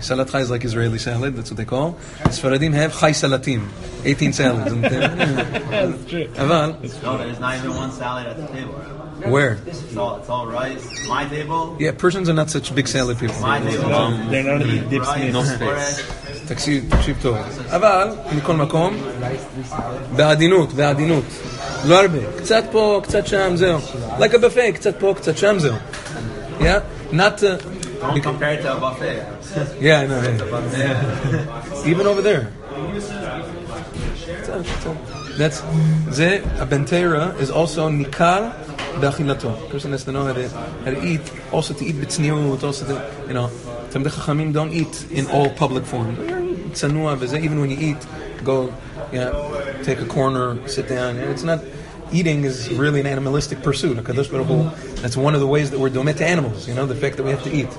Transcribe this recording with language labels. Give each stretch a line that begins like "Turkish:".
English: Salat chai is like Israeli salad. That's what they call. Sfaradim have chai salatim. 18 salads. That's true.
Hebrew: Aval.
English: No, there's not even one salad at the table. Where? It's all rice. My table. Yeah, Persians are not such big salad people. My table. They're not eating dips. No space.
Hebrew: תקשיב, תקשיב טוב. אבל, מכל מקום, בעדינות, בעדינות. לא הרבה. קצת פה, קצת שם, זהו.
English: Like a buffet,
Hebrew: קצת פה, קצת שם, זהו.
English: Yeah? Not... Don't compare it to a buffet. Yeah, I know. Yeah. Even over there. That's...
Hebrew: זה, הבנטרה,
English: is also
Hebrew: ניכר באכילתו.
English: Person has to know how to eat, also to eat בצניעות, also to, you know... תמדי חכמים don't eat in all public form.
Hebrew: צנוע וזה,
English: even when you eat, go, you know, take a corner, sit down. It's not, eating is really an animalistic pursuit. HaKadosh Baruch Hu, that's one of the ways that we're domet to animals, you know, the fact that we have to eat.